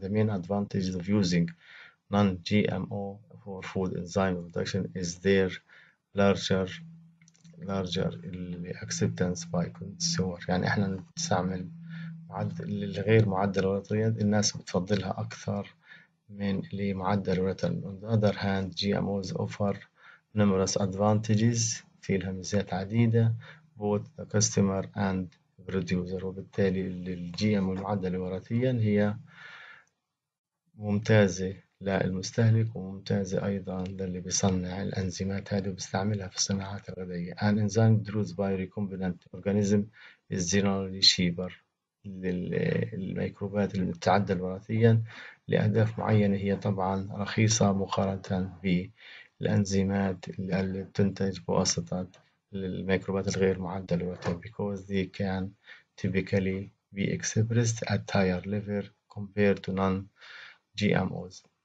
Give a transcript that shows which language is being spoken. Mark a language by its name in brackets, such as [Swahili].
[English] The main advantages of using non-GMO for food enzyme production is their larger acceptance by consumer. [Arabic] يعني احنا نستعمل معدل الغير معدل وراثيا الناس بتفضلها اكثر من اللي معدل وراثيا. [English] On the other hand, GMOs offer numerous advantages. [Arabic] في لها ميزات عديدة [English] both the customer and producer. [Arabic] وبالتالي الجي ام المعدل وراثيا هي ممتازة للمستهلك وممتازة أيضا للي بيصنع الأنزيمات هذه وبيستعملها في الصناعات الغذائية. [English] An enzyme produced by recombinant organism is generally cheaper. [Arabic] للميكروبات اللي بتتعدل وراثيا لأهداف معينة هي طبعا رخيصة مقارنة بالأنزيمات اللي بتنتج بواسطة الميكروبات الغير معدلة وراثيا. [English] Because they can typically be expressed at higher level compared to non-GMOs.